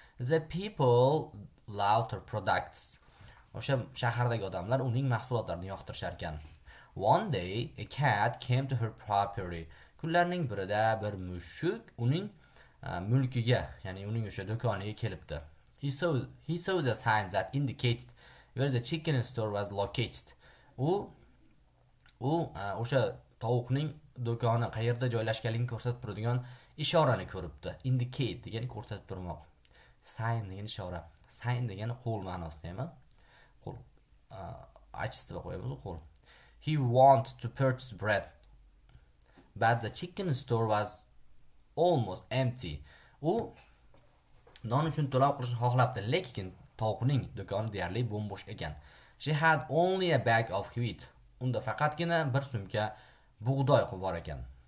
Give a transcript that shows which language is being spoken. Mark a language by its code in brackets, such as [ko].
[en] The people loved her products. [uz] O'sha shahardagi odamlar uning mahsulotlarini yoqtirishar ekan. [en] One day a cat came to her property. [uz] Kunlarning birida bir mushuk uning mulkiga, ya'ni uning o'sha do'koniga kelibdi. [en] He saw the sign that indicated where the chicken store was located. [uz] O'sha tovuqning do'koni qayerda joylashganligini ko'rsatib turadigan ishorani ko'ribdi. Indicate degani ko'rsatib turmoq. Sign degani ishora. Sign degani qo'l ma'nosidami? Qo'l achistirib qo'yamiz qo'l. [en] He wanted to purchase bread. But the chicken store was almost empty. [uz] Non uchun to'lov qilishni xohlabdi, lekin tovuqning do'koni deyarli bo'mbo'sh ekan. [en] She had only a bag of wheat. [uz] Unda faqatgina bir sumka bug'doy qilib bor ekan.